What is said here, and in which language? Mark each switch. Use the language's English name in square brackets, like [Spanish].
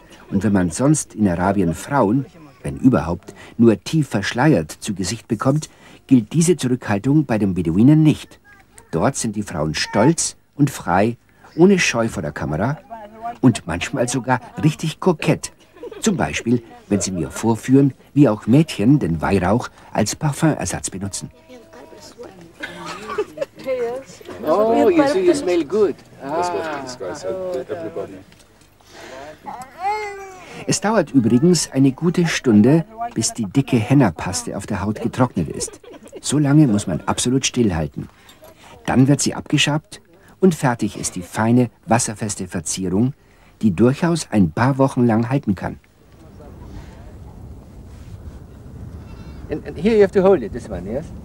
[German] Und wenn man sonst in Arabien Frauen, wenn überhaupt, nur tief verschleiert zu Gesicht bekommt, gilt diese Zurückhaltung bei den Beduinen nicht. Dort sind die Frauen stolz und frei, ohne Scheu vor der Kamera und manchmal sogar richtig kokett. Zum Beispiel, wenn sie mir vorführen, wie auch Mädchen den Weihrauch als Parfümersatz benutzen. [English] Oh, you see, you smell good. [German] Es dauert übrigens eine gute Stunde, bis die dicke Henna-Paste auf der Haut getrocknet ist. So lange muss man absolut stillhalten. Dann wird sie abgeschabt und fertig ist die feine, wasserfeste Verzierung, die durchaus ein paar Wochen lang halten kann. [English] And here you have to hold it, this one, yes?